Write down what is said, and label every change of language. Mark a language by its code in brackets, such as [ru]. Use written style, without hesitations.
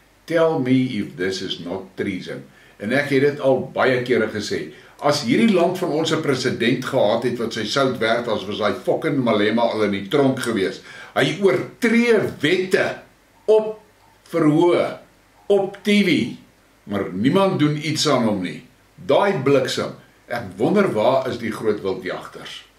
[en] Tell me if this is not treason. [af] En ek het dit al baie kere gesê. As hierdie land van ons 'n president gehad het wat sy sout werd, as was hy fucking Malema al in die tronk gewees. Hy oortree wette op verhoor. Op TV, maar niemand doen iets aan hom nie. Daai bliksem, ek wonder waar is die groot wildjagters.